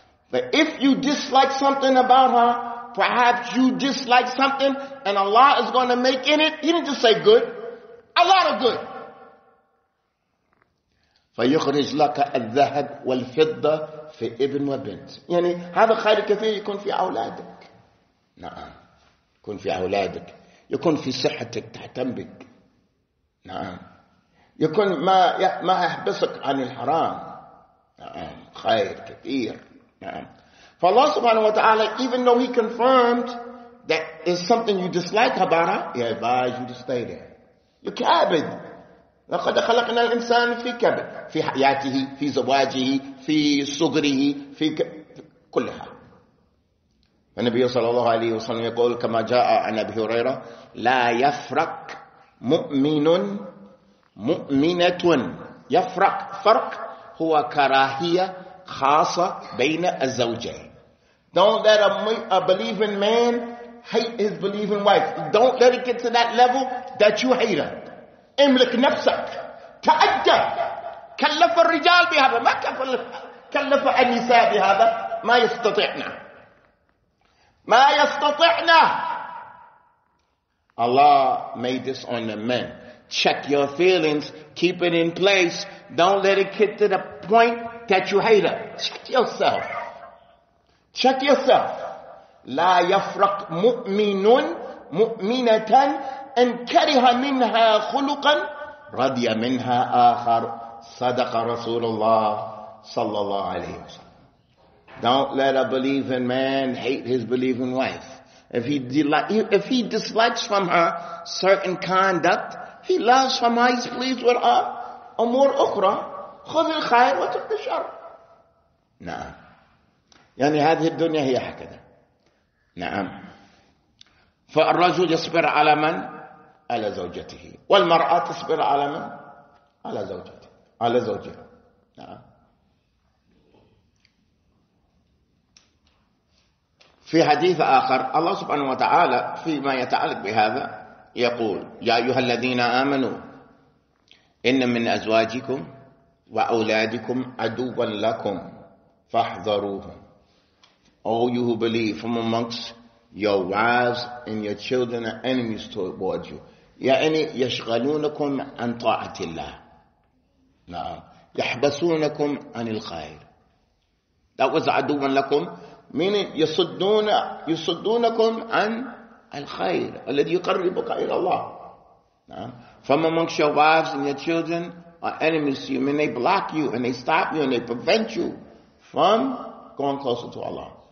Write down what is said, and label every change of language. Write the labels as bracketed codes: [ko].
[en] But if you dislike something about her, perhaps you dislike something and Allah is going to make in it, he didn't just say good, a lot of good. [ar] فيخرج لك الذهب والفضة في ابن وبنت. يعني هذا خير كثير يكون في أولادك. نعم, يكون في أولادك, يكون في صحتك تهتم بك. نعم, يكون ما يحبسك عن الحرام. نعم, خير كثير. نعم. فالله سبحانه وتعالى, [en] even though he confirmed that is something you dislike about her, he advised you to stay there. You're كابد. [ar] لقد خلقنا الإنسان في كبد, في حياته, في زواجه, في صغره, في كلها. النبي صلى الله عليه وسلم يقول كما جاء عن أبي هريرة, لا يفرق مؤمن مؤمنة. يفرق, فرق هو كراهية خاصة بين الزوجين. [en] Don't let a believing man hate his believing wife. Don't let it get to that level that you hate her. [ar] املك نفسك, تأدب. كلف الرجال بهذا, ما كلف النساء بهذا, ما يستطيعنا, ما يستطيعنا. [en] Allah made this on the men. Check your feelings, keep it in place. Don't let it get to the point that you hate her. Check yourself. Check yourself. [ar] لا يفرق مؤمن مؤمنة أن كره منها خلقا رضي منها آخر صدق رسول الله صلى الله عليه وسلم. [en] Don't let a believing man hate his believing wife. If he dislikes from her certain conduct, he loves from her, he's pleased with her. [ar] أمور أخرى خذ الخير وترك الشر. نعم. يعني هذه الدنيا هي هكذا. نعم. فالرجل يصبر على من؟ على زوجته. والمرأة تصبر على من؟ على زوجته. على زوجها. نعم. في حديث آخر الله سبحانه وتعالى فيما يتعلق بهذا يقول: يا أيها الذين آمنوا إن من أزواجكم وأولادكم عدوا لكم فاحذروهم. [en] All you who believe, from amongst your wives and your children are enemies towards you. [ar] يعني يشغلونكم عن طاعة الله. نعم. يحبسونكم عن الخير. [en] That was [ar] عدوا لكم. Meaning يصدونكم عن الخير الذي يقربك إلى الله. نعم. [en] From amongst your wives and your children are enemies to you. I mean, they block you and they stop you and they prevent you from going closer to Allah.